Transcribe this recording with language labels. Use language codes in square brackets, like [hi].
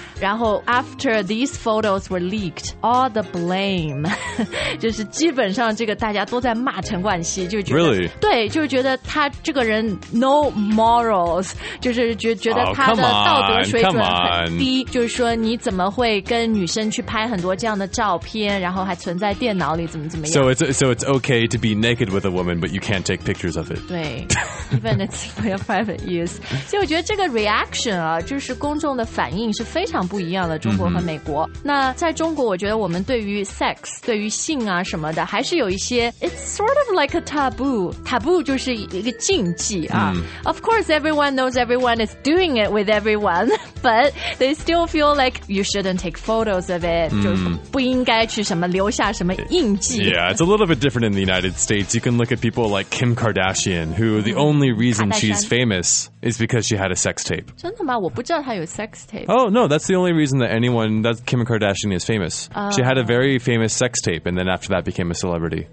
[zh] 然后 [en] after these photos were leaked, all the blame, [zh] 就是基本上这个大家都在骂陈冠希, 就觉得, [en] really? [zh] 对, 就觉得他这个人 [en] no morals, [zh] 就是觉得 他的道德水准很低，就是说你怎么会跟女生去拍很多这样的照片，然后还存在电脑里，怎么怎么样？ [en] So it's okay to be naked with a woman, but you can't take pictures of it. [zh] 对 ， [en] even it's your private use. [zh] 所以我觉得这个 reaction 啊，就是公众的反应是非常不一样的，中国和美国。那在中国，我觉得我们对于 sex， 对于性啊什么的，还是有一些 [en] it's sort of like a taboo. Taboo [zh] 就是一个禁忌啊。 [en] Of course, everyone knows everyone is doing it with everyone, but they still feel like you shouldn't take photos of it. [zh] 就不应该去什么留下什么印记。 [en] Yeah, it's a little bit different in the United States. You can look at people like Kim Kardashian, who the only reason she's famous is because she had a sex tape. [zh] 真的吗?我不知道她有sex tape. [en] Oh, no, that's the only reason that anyone, that Kim Kardashian is famous. She had a very famous sex tape, and then after that became a celebrity.